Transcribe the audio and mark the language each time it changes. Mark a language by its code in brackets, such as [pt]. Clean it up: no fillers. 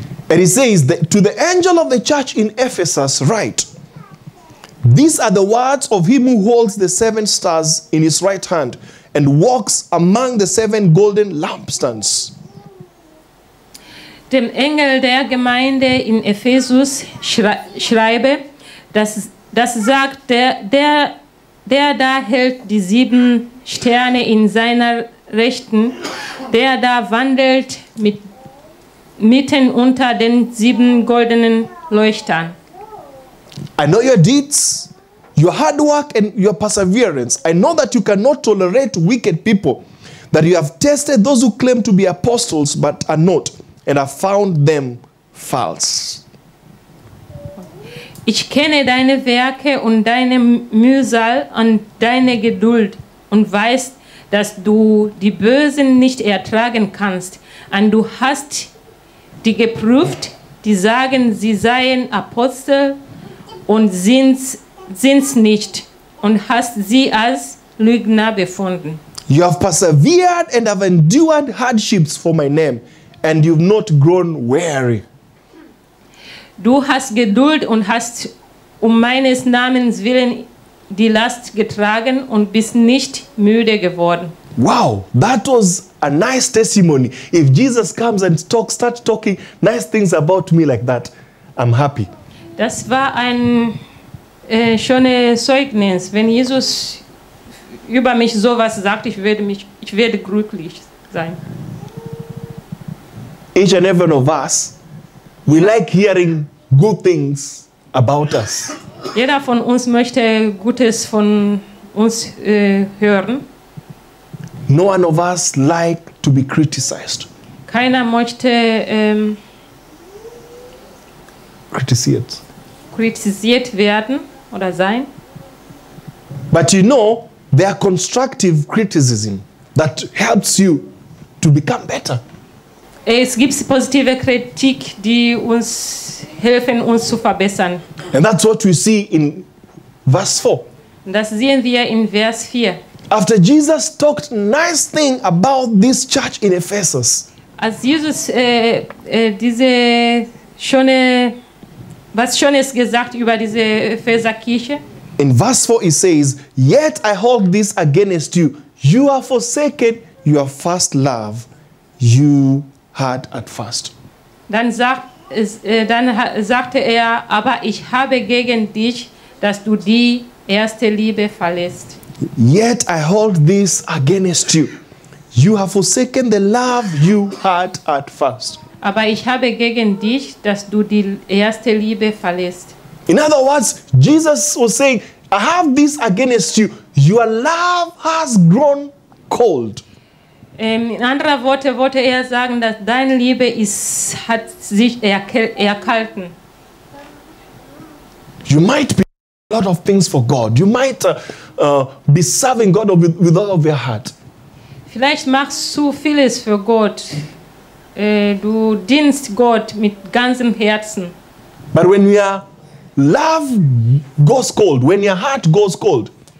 [en] And he says that to the angel of the church in Ephesus write, these are the words of him who holds the seven stars in his right hand and walks among the seven golden lampstands. [de] Dem Engel der Gemeinde in Ephesus schreibe, das sagt der da hält die sieben Sterne in seiner Rechten, der da wandelt mitten unter den sieben goldenen Leuchtern. [en] I know your deeds, your hard work and your perseverance. I know that you cannot tolerate wicked people, that you have tested those who claim to be apostles but are not. And I found them false. [de] Ich kenne deine Werke und deine Mühsal und deine Geduld und weiß, dass du die Bösen nicht ertragen kannst. Und du hast die geprüft, die sagen, sie seien Apostel und sind's nicht und hast sie als Lügner befunden. [en] You have persevered and have endured hardships for my name. And you've not grown weary. [de] Du hast Geduld und hast um meines Namens willen die Last getragen und bist nicht müde geworden. [en] Wow, that was a nice testimony. If Jesus comes and starts talking nice things about me like that, I'm happy. [de] Das war ein schöne Zeugnis, wenn Jesus über mich sowas sagt, ich werde glücklich sein. [en] Each and every one of us, we like hearing good things about us. [de] Jeder von uns möchte Gutes von uns hören. [en] No one of us like to be criticized. [de] Keiner möchte kritisiert werden oder sein. [en] But you know, there are constructive criticism that helps you to become better. [de] Es gibt positive Kritik, die uns helfen, uns zu verbessern. [en] And that's what we see in verse 4. [de] Das sehen wir in Vers 4. [en] After Jesus talked nice thing about this church in Ephesus. [de] Als Jesus diese schöne was Schönes gesagt über diese Epheser Kirche. [en] In verse 4 it says, yet I hold this against you. You have forsaken your first love. You had at first. [de] Dann sagte er, aber ich habe gegen dich, dass du die erste Liebe verlässt. [en] Yet I hold this against you. You have forsaken the love you had at first. [de] Aber ich habe gegen dich, dass du die erste Liebe verlässt. [en] In other words, Jesus was saying, I have this against you. Your love has grown cold. [de] In anderer Worte wollte er sagen, dass deine Liebe hat sich erkalten. [en] You might be doing a lot of things for God. You might be serving God with all of your heart. [de] Vielleicht machst du vieles für Gott. Du dienst Gott mit ganzem Herzen. [en] But when your love goes cold, when your heart goes cold.